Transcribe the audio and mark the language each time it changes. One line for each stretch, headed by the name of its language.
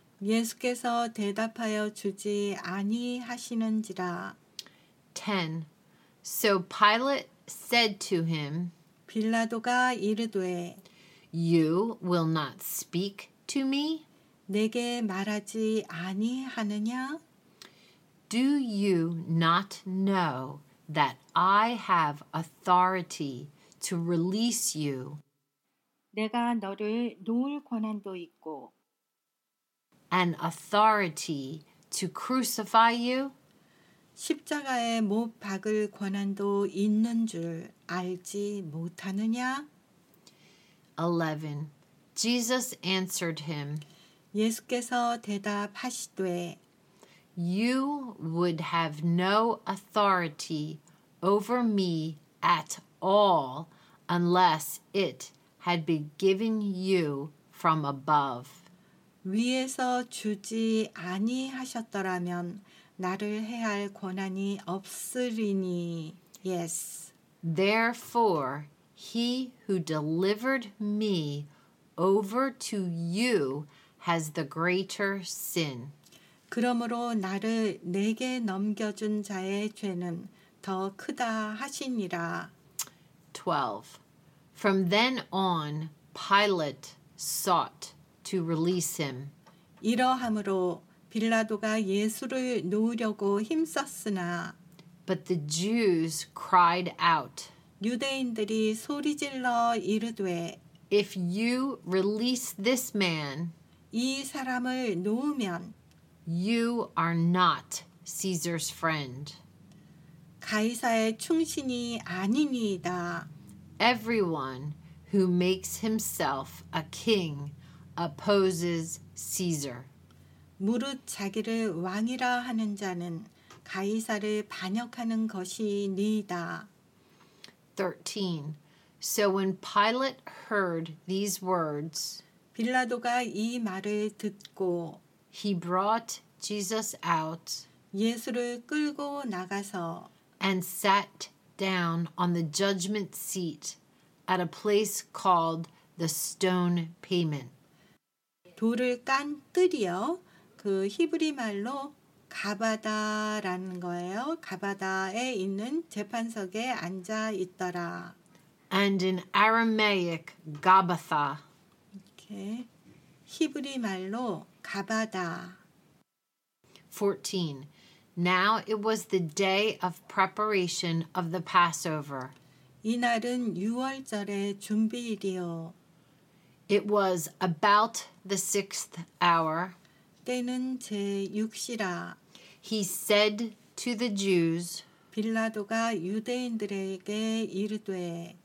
Korean: 예수께서 대답하여 주지 아니하시는지라.
English: 10. So Pilate said to him,
Korean: 빌라도가 이르되,
English: You will not speak to me?
Korean: 내게 말하지 아니하느냐?
English: Do you not know that I have authority to release you?
Korean: 내가 너를 놓을 권한도 있고,
English: an authority to crucify you?
Korean: 십자가에 못 박을 권한도 있는 줄 알지 못하느냐?
English: 11. Jesus answered him.
Korean: 예수께서 대답하시되,
English: You would have no authority over me at all unless it had been given you from above.
Korean: 위에서 주지 아니하셨더라면 나를 해할 권한이 없으리니.
English: Yes. Therefore, he who delivered me over to you has the greater sin.
Korean: 그러므로 나를 내게 넘겨준 자의 죄는 더 크다 하시니라.
English: 12. From then on, Pilate sought to release him.
Korean: 이러함으로 빌라도가 예수를 놓으려고 힘썼으나,
English: But the Jews cried out.
Korean: 유대인들이 소리질러 이르되,
English: If you release this man,
Korean: 이 사람을 놓으면,
English: You are not Caesar's friend.
Korean: 가이사의 충신이 아니니이다.
English: Everyone who makes himself a king opposes Caesar.
Korean: 무릇 자기를 왕이라 하는 자는 가이사를 반역하는 것이니이다.
English: 13. So when Pilate heard these words,
Korean: 빌라도가 이 말을 듣고,
English: He brought Jesus out,
Korean: 예수를 끌고 나가서,
English: and sat down on the judgment seat at a place called the stone pavement.
Korean: 돌을 깐 뜰이요. 그 히브리 말로 가바다라는 거예요. 가바다에 있는 재판석에 앉아 있더라.
English: And in Aramaic, Gabatha.
Korean: 히브리 말로 가바다.
English: 14. Now it was the day of preparation of the Passover.
Korean: 이날은 유월절의 준비일이요.
English: It was about the sixth hour.
Korean: 때는 제6시라.
English: He said to the Jews,
Korean: 빌라도가 유대인들에게 이르되,